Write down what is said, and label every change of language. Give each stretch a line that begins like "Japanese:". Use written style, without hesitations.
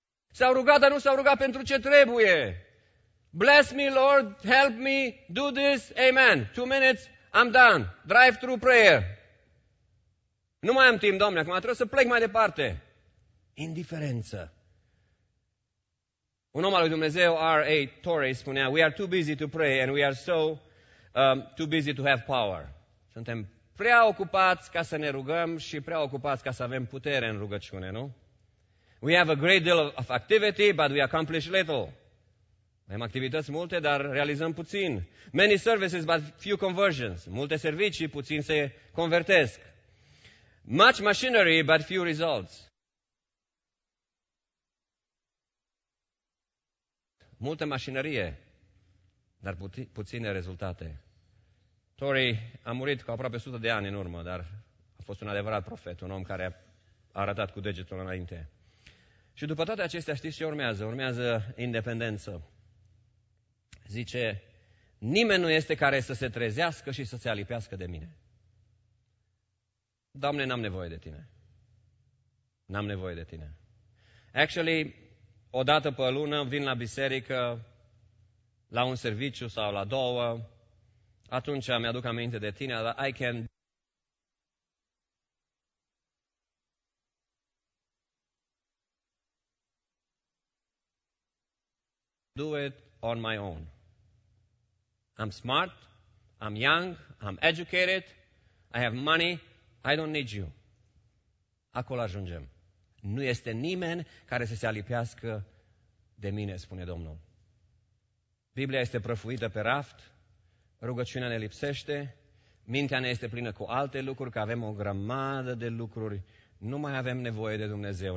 Romanian: S-au rugat, dar nu s-au rugat pentru ce trebuie.
English: Bless me, Lord, help me, do this, amen. 2 minutes, I'm done. Drive-through prayer.
Romanian: Nu mai am timp, Doamne, acum trebuie să plec mai departe. Indiferență. Un om al lui Dumnezeu, R.A.
English: Torrey, spunea, we are too busy to pray and we are so too busy to have power.
Romanian: Suntem prea ocupați ca să ne rugăm și prea ocupați ca să avem putere în rugăciune, nu?
English: We have a great deal of activity, but we accomplish little.
Romanian: Avem activități multe, dar realizăm puțin.
English: Many services, but few conversions.
Romanian: Multe servicii, puțin se convertesc.
English: Much machinery, but few results.
Romanian: Multă mașinărie, dar puține rezultate. Torrey a murit cu aproape 100 de ani în urmă, dar a fost un adevărat profet, un om care a arătat cu degetul înainte. Și după toate acestea, știți ce urmează? Urmează independență. Zice, nimeni nu este care să se trezească și să se alipească de mine. Doamne, n-am nevoie de tine. N-am nevoie de tine. Actually, o dată pe lună vin la biserică, la un serviciu sau la două, atunci mi-aduc aminte de tine, dar
English: I can do it on my own. I'm smart, I'm young, I'm educated, I have money, I don't need you.
Romanian: Acolo ajungem. Nu este nimeni care să se alipească de mine, spune Domnul. Biblia este prăfuită pe raft, rugăciunea ne lipsește, mintea ne este plină cu alte lucruri, că avem o grămadă de lucruri, nu mai avem nevoie de Dumnezeu.